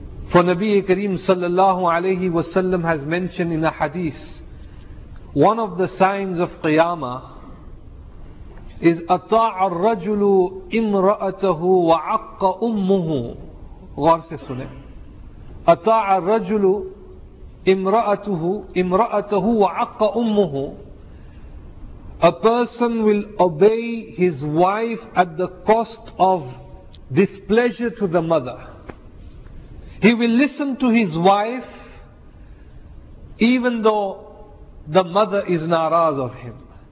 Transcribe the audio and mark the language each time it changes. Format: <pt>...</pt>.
<en>For Nabi Kareem sallallahu alayhi wa sallam has mentioned in a hadith, one of the signs of Qiyamah is</en> <ar>أَطَاعَ الرَّجُلُ إِمْرَأَتَهُ وَعَقَّ أُمُّهُ.</ar> <ur>غور سے سنیں.</ur> <ar>أَطَاعَ الرَّجُلُ إِمْرَأَتَهُ وَعَقَّ أُمُّهُ.</ar> <en>A person will obey his wife at the cost of displeasure to the mother. He will listen to his wife even though the mother is naraz of him.</en>